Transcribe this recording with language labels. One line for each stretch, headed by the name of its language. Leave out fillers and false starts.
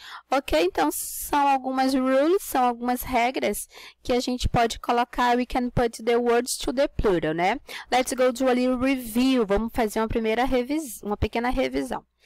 Portuguese: Ok, então são algumas rules, são algumas regras que a gente pode colocar.
English: We can put the words to the plural, né? Let's go to a little review.
Portuguese: Vamos fazer uma primeira revisão, uma pequena revisão.